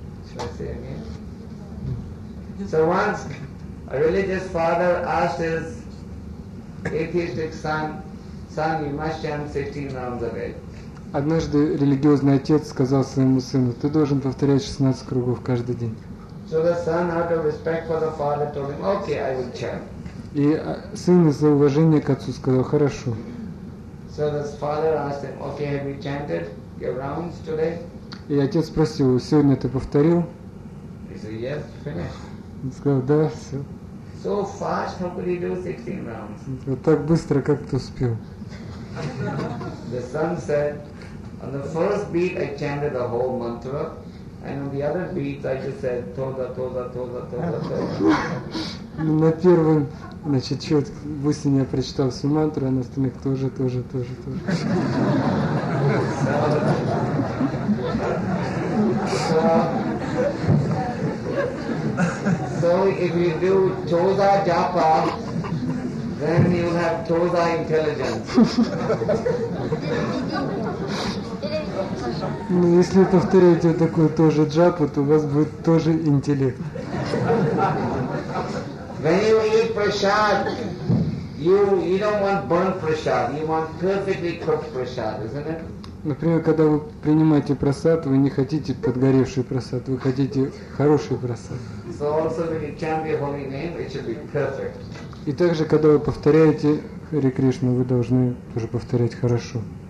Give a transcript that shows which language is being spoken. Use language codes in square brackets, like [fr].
[en] Should I say again? So once a religious father asked his atheistic son, you must chant 16 rounds a day. [ru] Однажды религиозный отец сказал своему сыну, ты должен повторять 16 кругов каждый день. [en] So the son, out of respect for the father, told him, okay, I will chant. [ru] И сын из-за уважения к отцу сказал, хорошо. [en] So his father asked him, okay, have you chanted your rounds today? [ru] И отец спросил, сегодня ты повторил? [en] He said, yes, finished. [ru] Он сказал, да, все. [en] So fast, how could he do 16 rounds? [ru] Вот так быстро, как ты успел. [en] The son said, On the first beat, I chanted the whole mantra, and on the other beats, I just said toda, toda, toda, toda, toda. [ru] На первом, значит, счет высыне я прочитал всю мантру, а на остальных тоже, тоже, тоже, тоже. [en] So if you do toda japa, then you have toda intelligence. [ru] Ну, если повторяете вот такую тоже джапу, то у вас будет тоже интеллект. [en] When you eat prasad, you don't want burnt prasad, you want perfectly cooked prasad, isn't it? [ru] Например, когда вы принимаете прасад, вы не хотите подгоревший прасад, вы хотите хороший прасад. [en] So also when you chant the holy name, it should be perfect. [ru] И также, когда вы повторяете Хари Кришну, вы должны тоже повторять хорошо.